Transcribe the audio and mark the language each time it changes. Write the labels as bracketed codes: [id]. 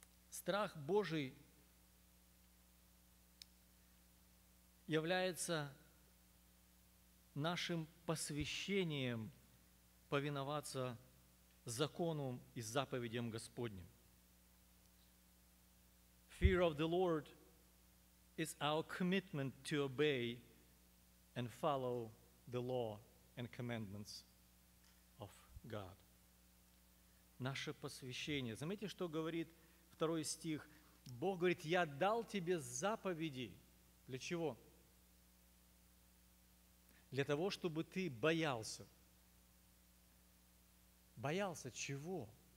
[ru] Страх Божий является нашим посвящением повиноваться закону и заповедям Господним. [en] Fear of the Lord is our commitment to obey and follow the law and commandments of God. [ru] Наше посвящение. Заметьте, что говорит второй стих. Бог говорит: я дал тебе заповеди. Для чего? Для того, чтобы ты боялся. Боялся чего?